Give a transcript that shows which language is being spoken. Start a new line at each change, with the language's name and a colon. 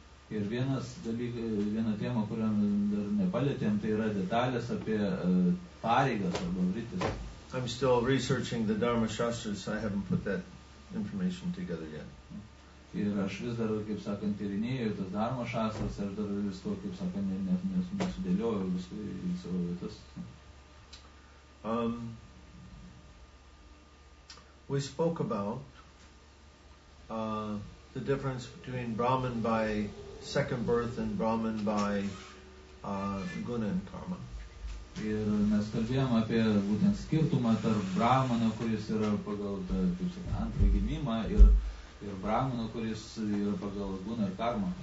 Lithuanian: Ir vienas dalykas, viena tema, kuriam dar nepalietėm, tai yra detalės apie pareigas arba vrittis.
English: I'm still researching the Dharma Shastras. I haven't put that information together yet.
Lithuanian: Ir aš vis dar, kaip sakant, tyrinėjau tas darmo šastras, aš dar vis to, kaip sakant, nesudėliojau visą į savo vietas.
English: We spoke about the difference between Brahman by second birth and Brahman by guna and karma.
Lithuanian: Ir mes kalbėjom apie būtent skirtumą tarp Brahmano, kuris yra pagal antrą gimimą, ir Brahmano, kuris yra pagal guna ir karma.